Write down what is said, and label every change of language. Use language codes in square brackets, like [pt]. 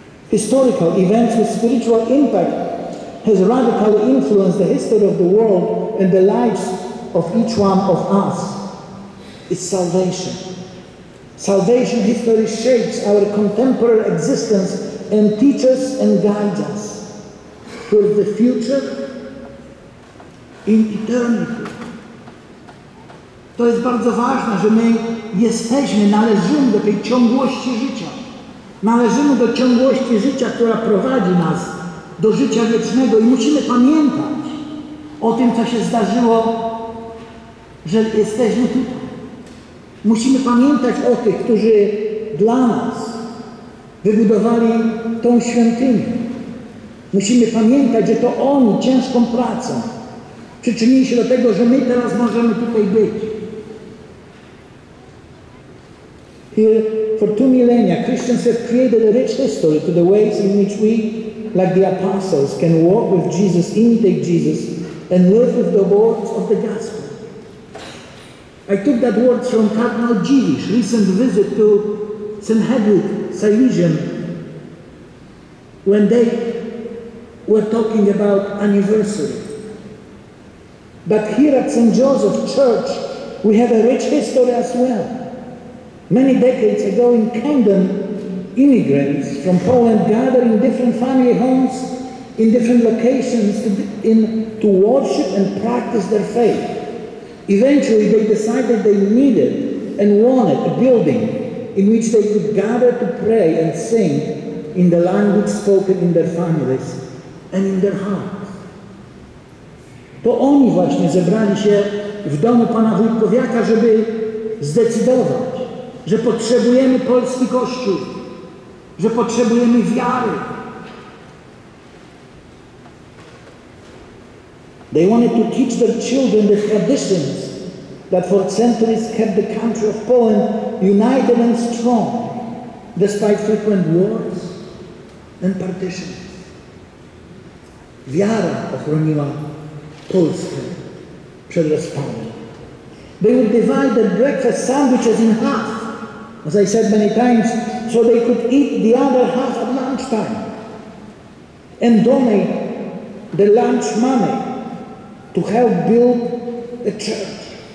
[en] Historical events with spiritual impact has radically influenced the history of the world and the lives of each one of us. It's salvation. Salvation history shapes our contemporary existence and teaches and guides us for the future in eternity. [pl] To jest bardzo ważne, że my jesteśmy, należymy do tej ciągłości życia. Należymy do ciągłości życia, która prowadzi nas do życia wiecznego i musimy pamiętać o tym, co się zdarzyło, że jesteśmy tutaj. Musimy pamiętać o tych, którzy dla nas wybudowali tą świątynię. Musimy pamiętać, że to oni ciężką pracą przyczynili się do tego, że my teraz możemy tutaj być. [en] Here, for 2 millennia, Christians have created a rich history to the ways in which we, like the apostles, can walk with Jesus, imitate Jesus, and live with the words of the gospel. I took that word from Cardinal Gilles' recent visit to Sanhedrin, Silesian, when they were talking about anniversary. But here at St. Joseph Church, We have a rich history as well. Many decades ago in Camden, immigrants from Poland gathered in different family homes, in different locations to worship and practice their faith. Eventually, they decided they needed and wanted a building in which they could gather to pray and sing in the language spoken in their families and in their hearts. [pl] To oni właśnie zebrali się w domu Pana Wójtkowiaka, żeby zdecydować, że potrzebujemy polski kościół, że potrzebujemy wiary. [en] They wanted to teach their children the traditions that for centuries kept the country of Poland united and strong, despite frequent wars and partitions. [pl] Wiara ochroniła Polskę przed rozpadem. [en] They would divide their breakfast sandwiches in half, as I said many times, so they could eat the other half at lunchtime and donate the lunch money to help build a church.